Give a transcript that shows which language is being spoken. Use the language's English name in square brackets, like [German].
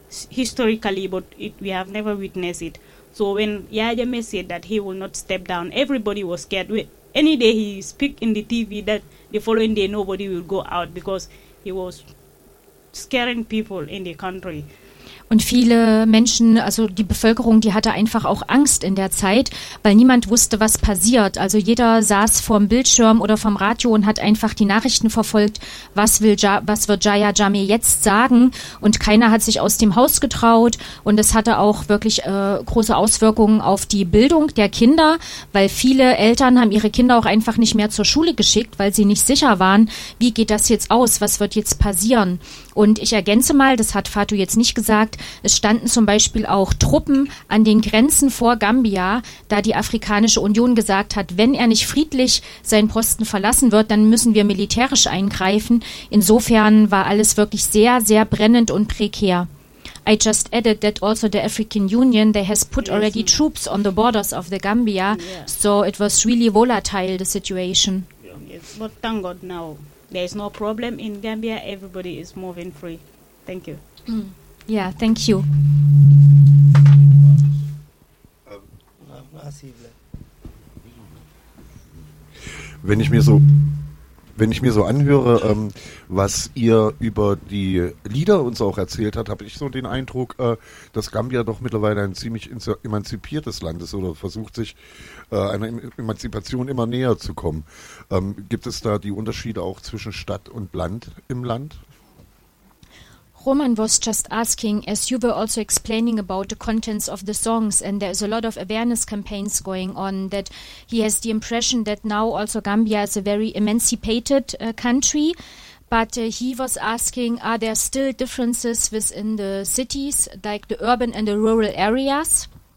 [English] historically, but we have never witnessed it. So when Yajame said that he will not step down, everybody was scared. Any day he speak in the TV, that the following day nobody will go out because he was scaring people in the country. [German] Und viele Menschen, also die Bevölkerung, die hatte einfach auch Angst in der Zeit, weil niemand wusste, was passiert. Also jeder saß vorm Bildschirm oder vorm Radio und hat einfach die Nachrichten verfolgt, was wird Jaya Jame jetzt sagen. Und keiner hat sich aus dem Haus getraut. Und es hatte auch wirklich große Auswirkungen auf die Bildung der Kinder, weil viele Eltern haben ihre Kinder auch einfach nicht mehr zur Schule geschickt, weil sie nicht sicher waren, wie geht das jetzt aus, was wird jetzt passieren. Und ich ergänze mal, das hat Fatou jetzt nicht gesagt, es standen zum Beispiel auch Truppen an den Grenzen vor Gambia, da die Afrikanische Union gesagt hat, wenn er nicht friedlich seinen Posten verlassen wird, dann müssen wir militärisch eingreifen. Insofern war alles wirklich sehr, sehr brennend und prekär. [English] I just added that also the African Union, they has put already troops on the borders of the Gambia, yeah. So it was really volatile, the situation. Yes, but thank God now. There is no problem in Gambia. Everybody is moving free. Thank you. Mm. Yeah, thank you. [German] Wenn ich mir so anhöre, was ihr über die Lieder uns auch erzählt habt, habe ich so den Eindruck, dass Gambia doch mittlerweile ein ziemlich emanzipiertes Land ist oder versucht sich einer Emanzipation immer näher zu kommen. Gibt es da die Unterschiede auch zwischen Stadt und Land im Land? [English] Roman was just asking, as you were also explaining about the contents of the songs, and there is a lot of awareness campaigns going on, that he has the impression that now also Gambia is a very emancipated country. But he was asking, are there still differences within the cities, like the urban and the rural areas?